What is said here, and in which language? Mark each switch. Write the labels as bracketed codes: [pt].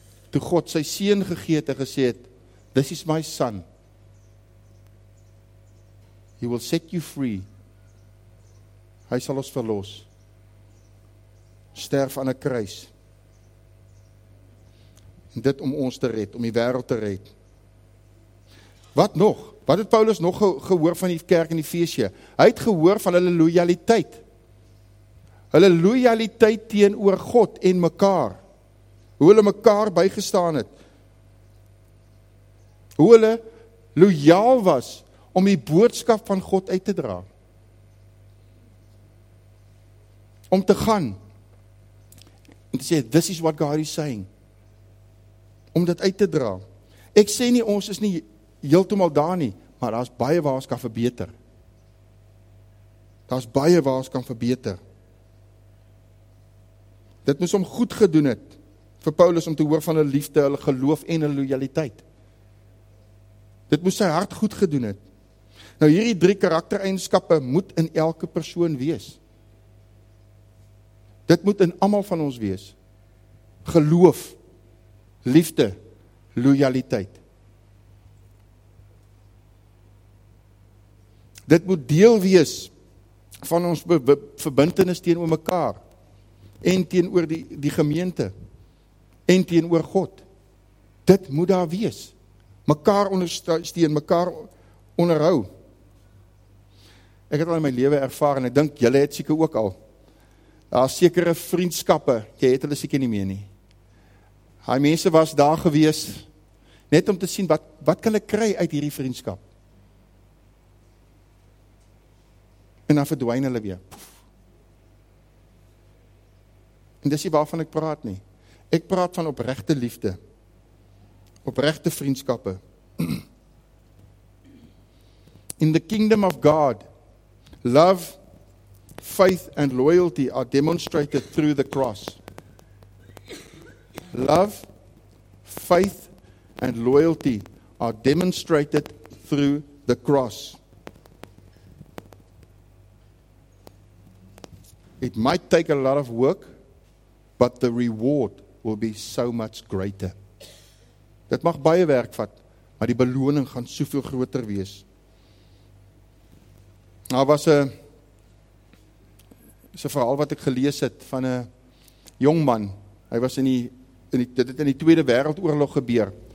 [af] Toe God sy seun gegee het en gesê het, [en] this is my son. He will set you free. [af] Hy sal ons verlos. Sterf aan 'n kruis. En dit om ons te red, om die wêreld te red. Wat nog? Wat het Paulus nog gehoor van die kerk in Efesië? Hy het gehoor van hulle loyaliteit. Hulle loyaliteit teenoor God en mekaar. Hoe hulle mekaar bygestaan het. Hoe hulle loyaal was om die boodskap van God uit te dra. Om te gaan. En te sê, [en] this is what God is saying. [af] Om dit uit te dra. Ek sê nie, ons is nie heeltemal daar nie, maar daar is baie waar ons kan verbeter. Daar is baie waar ons kan verbeter. Dit moes om goed gedoen het, vir Paulus om te hoor van hulle liefde, hulle geloof en hulle loyaliteit. Dit moes sy hart goed gedoen het. Nou hierdie drie karaktereigenskappe moet in elke persoon wees. Dit moet in almal van ons wees. Geloof, liefde, loyaliteit. Dit moet deel wees van ons verbintenis teenoor mekaar en teenoor die gemeente en teenoor God. Dit moet daar wees. Mekaar ondersteun, mekaar onderhou. Ek het al in my lewe ervaar en ek dink julle het seker ook al. Daar is sekere vriendskappe, jy het hulle seker nie meer nie. Hy mense was daar gewees, net om te sien, wat kan ek kry uit hierdie vriendskap? En dan verdwijn hulle weer. En dis nie waarvan ek praat nie. Ek praat van oprechte liefde, oprechte vriendskappe. [en] In the kingdom of God, love, faith and loyalty are demonstrated through the cross. Love, faith and loyalty are demonstrated through the cross. It might take a lot of work, but the reward will be so much greater. [af] Dit mag baie werk vat, maar die beloning gaan soveel groter wees. Daar was 'n verhaal wat ek gelees het van 'n jong man. Hy was dit het in die Tweede Wêreldoorlog gebeur.